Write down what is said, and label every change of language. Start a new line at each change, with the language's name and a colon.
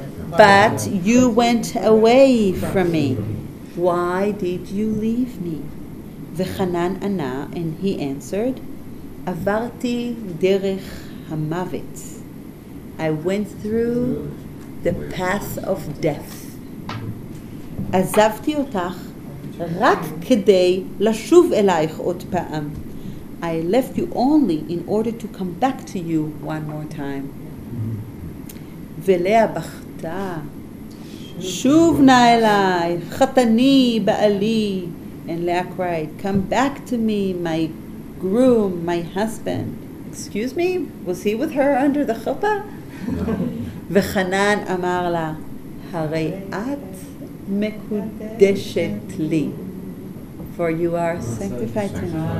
English: But you went away from me. Why did you leave me?
Hebrew: V'chanan ana,
English: and he answered,
Hebrew: Avarti derech hamavet.
English: I went through the path of death.
Hebrew: Azavti otach. רק כדי לשוב אלייך עוד פעם.
English: I left you only in order to come back to you one more time.
Hebrew: ולאה בכתה, שוב נא אליי, חתני בעלי.
English: And Leah cried, come back to me, my groom, my husband. Excuse me, was he with her under the chuppah?
Hebrew: וחנן אמר לה, הרי את מקודשת לי.
English: For you are sanctified to me.